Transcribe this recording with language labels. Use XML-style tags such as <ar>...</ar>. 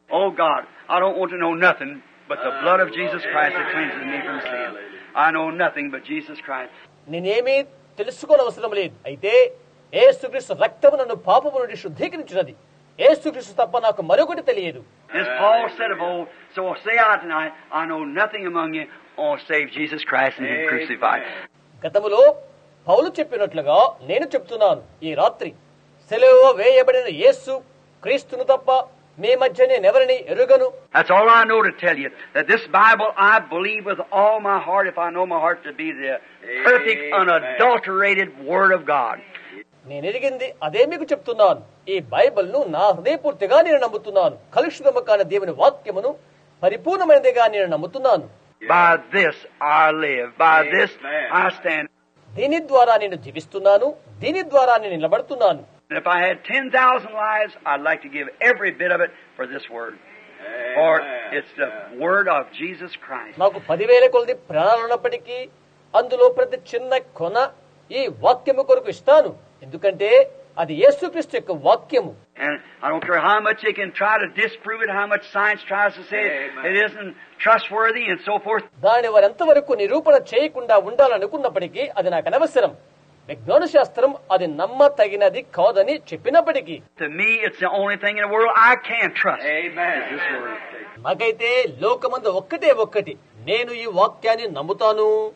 <en>Oh God, I don't want to know nothing but the blood of Jesus Christ that cleanses me from sin. I know nothing but Jesus Christ.</en> <te>నేనేమి తెలుసుకోనవసరం లేదు, అయితే యేసుక్రీస్తు రక్తము నన్ను పాపము నుండి శుద్ధీకరించినది. యేసుక్రీస్తు తప్ప నాకు మరొకటి తెలియదు.</te> <en>As Paul said of old, so I'll say out tonight, I know nothing among you or save Jesus Christ and him crucified.</en> <te>గతములో పౌలు చెప్పినట్లుగా నేను చెప్తున్నాను, ఈ రాత్రి సెలవు వేయబడిన యేసు క్రీస్తును తప్ప మీ మధ్య నేనెవరిని ఎరుగను.</te> <en>That's all I know to tell you, that this Bible I believe with all my heart, if I know my heart to be the perfect, unadulterated word of God.</en> <te>నేను ఎరిగింది అదే మీకు చెప్తున్నాను, ఈ బైబిల్ ను నా హృదయపూర్తిగా నేను నమ్ముతున్నాను, కలుషితము కాని దేవుని వాక్యమును పరిపూర్ణమైనదిగా నేను నమ్ముతున్నాను.</te> <en>By this I live, by this I stand.</en> <te>దీని ద్వారా నేను జీవిస్తున్నాను, దీని ద్వారా నేను నిలబడుతున్నాను.</te> <en>If I had 10,000 lives, I'd like to give every bit of it for this word. For it's the word of Jesus Christ.</en> <te>నాకు 10,000 కొలది ప్రాణాలు ఉన్నప్పటికీ అందులో ప్రతి చిన్న కొన ఈ వాక్యము కొరకు ఇస్తాను, ఎందుకంటే అది యేసుక్రీస్తు యొక్క వాక్యము.</te> <en>And I don't care how much they can try to disprove it, how much science tries to say it isn't trustworthy and so forth.</en> <te>దాని వరంతవరకు నిరూపణ చేయకుండా ఉండాలనుకున్నప్పటికీ అది నాకు అనవసరం. విజ్ఞాన శాస్త్రం అది నమ్మ తగినది కాదని చెప్పినప్పటికీ,</te> <en>to me it's the only thing in the world I can trust. Amen. This word.</en> <te>నాకైతే లోకమందు ఒక్కటే ఒక్కటి, నేను ఈ వాక్యాన్ని నమ్ముతాను.</te>